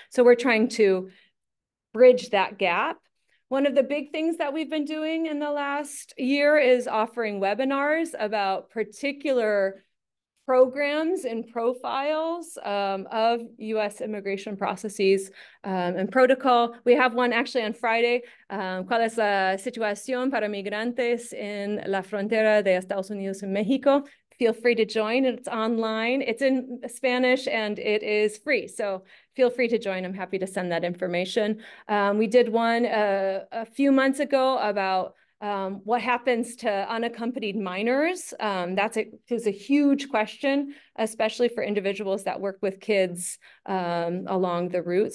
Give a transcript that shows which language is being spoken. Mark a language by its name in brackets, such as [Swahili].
[English] So we're trying to bridge that gap. One of the big things that we've been doing in the last year is offering webinars about particular programs and profiles of U.S. immigration processes and protocol. We have one actually on Friday, [Spanish] ¿Cuál es la situación para migrantes en la frontera de Estados Unidos y México? [English] Feel free to join. It's online. It's in Spanish and it is free. So feel free to join. I'm happy to send that information. We did one a few months ago about What happens to unaccompanied minors? That's a huge question, especially for individuals that work with kids along the route.